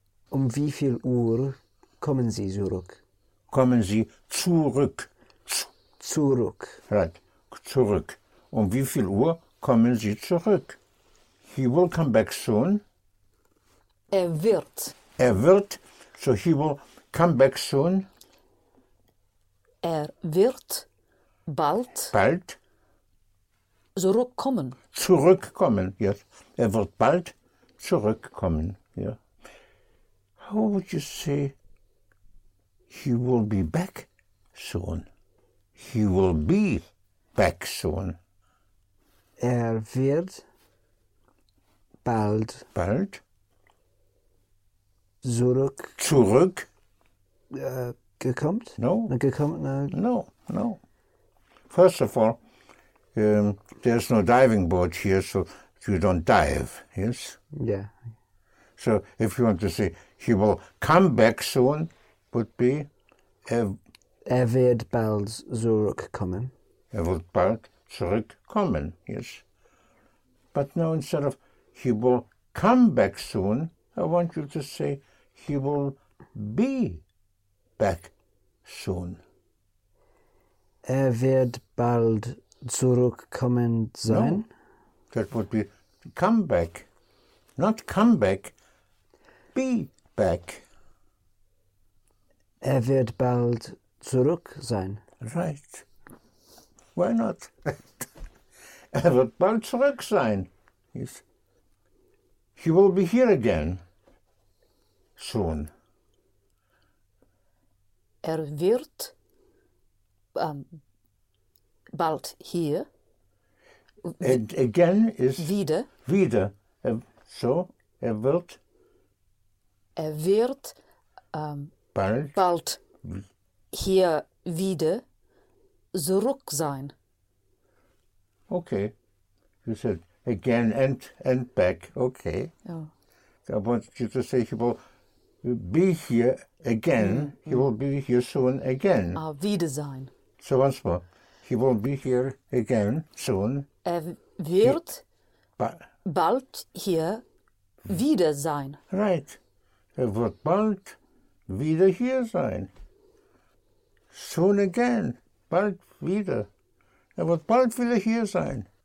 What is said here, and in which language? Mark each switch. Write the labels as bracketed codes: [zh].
[de] Wie viel Uhr kommen Sie zurück? Kommen Sie zurück. Zurück. [en] Right. Zurück. [de] Wie viel Uhr kommen Sie zurück? [en] He will come back soon. [de] Wird. Wird. [en] So he will come back soon. [de] Wird bald. Bald. Zurückkommen. Zurückkommen, yes. Wird bald zurückkommen, yeah. [en] How would you say he will be back soon? He will be back soon. [de] Wird bald. Bald. Zurück. Zurück. Gekommt? [en] No. [de] Gekommt? [en] No, no. First of all, there's no diving board here, so you don't dive, yes? Yeah. So if you want to say he will come back soon, would be? [de] Wird bald zurückkommen. Wird bald zurückkommen, yes. [en] But now instead of he will come back soon, I want you to say he will be back soon. [de] Wird bald zurückkommen sein? [en] No, that would be come back. Not come back, be back. [de] Wird bald zurück sein? [en] Right. Why not? [de] Wird bald zurück sein. Yes. [en] He will be here again. Soon. [de] Wird bald hier. [en] And again is... [de] Wieder. Wieder. So, wird... Wird bald hier wieder zurück sein. [en] Okay. You said again and back. Okay. Oh. I want you to say he will be here again. Mm-hmm. He will be here soon again. [de] Wieder sein. [en] So once more. He will be here again soon. [de] Wird bald hier wieder sein. [en] Right. [de] Wird bald wieder hier sein. [en] Soon again. [de] Bald wieder. Wird bald wieder hier sein.